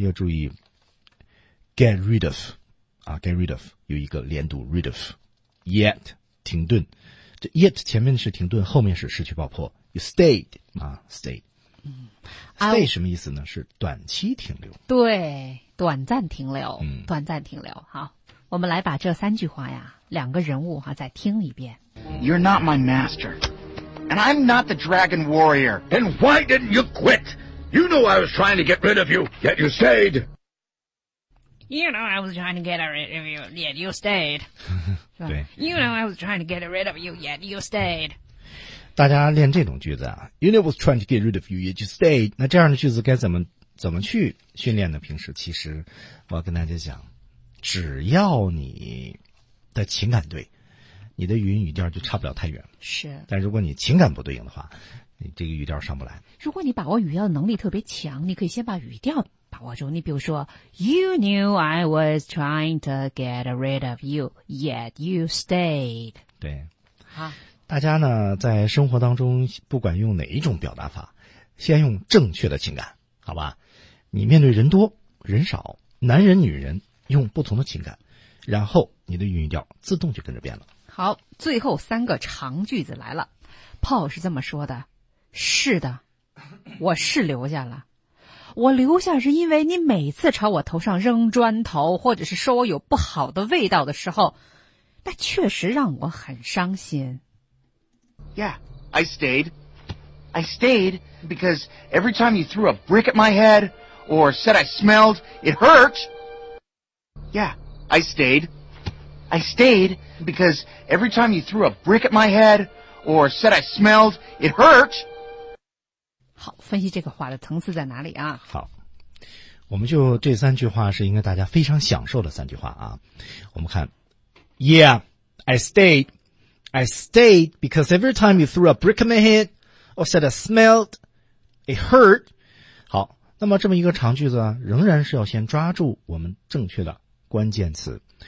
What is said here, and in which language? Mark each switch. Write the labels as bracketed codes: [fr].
[zh] 要注意 get rid of 啊 ，get rid of 有一个连读 rid of yet 停顿。这 yet 前面是停顿，后面是失去爆破。 [en] You stayed 啊，stayed。 Stay [zh] 什么意思呢？是短期停留。对，短暂停留。嗯，短暂停留。好，我们来把这三句话呀，两个人物哈、啊，再听一遍。 [en] You're not my master, and I'm not the dragon warrior. Then why didn't you quit? You knew I was trying to get rid of you, yet you stayed. You know I was trying to get rid of you, yet you stayed. [zh] 对 [en] You know I was trying to get rid of you, yet you stayed. 大家练这种句子啊 You know I was trying to get rid of you, yet you stayed. [zh] 那这样的句子该怎么去训练呢？平时其实我要跟大家讲，只要你的情感对，你的语音语调就差不了太远。是。但如果你情感不对应的话，你这个语调上不来。如果你把握语调能力特别强，你可以先把语调把握住，你比如说 You knew I was trying to get rid of you, yet you stayed. 对、啊、大家呢在生活当中不管用哪一种表达法，先用正确的情感，好吧，你面对人多人少，男人女人，用不同的情感，然后你的语调自动就跟着变了。好，最后三个长句子来了。Paul 是这么说的，是的，我是留下了，我留下是因为你每次朝我头上扔砖头，或者是说我有不好的味道的时候，那确实让我很伤心。 [en] Yeah, I stayed. I stayed because every time you threw a brick at my head or said I smelled, it hurt. Yeah, I stayed. I stayed because every time you threw a brick at my head or said I smelled, it hurt. [zh] 好，分析这个话的层次在哪里啊？好，我们就这三句话是应该大家非常享受的三句话啊。 [en] 我们看，Yeah, I stayed because every time you threw a brick at my head or said I smelled, it hurt. [zh] 好，那么这么一个长句子，仍然是要先抓住我们正确的关键词。